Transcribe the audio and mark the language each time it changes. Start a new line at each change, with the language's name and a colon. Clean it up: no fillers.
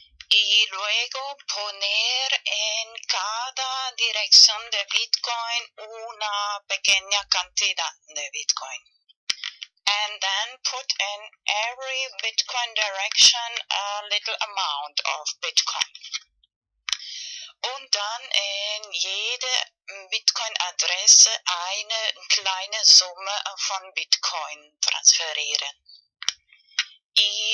Spanish: Y luego poner en cada dirección de Bitcoin una pequeña cantidad de Bitcoin.
English: And then put in every Bitcoin direction a little amount of Bitcoin.
German: Und dann in jede Bitcoin-Adresse eine kleine Summe von Bitcoin transferieren. Y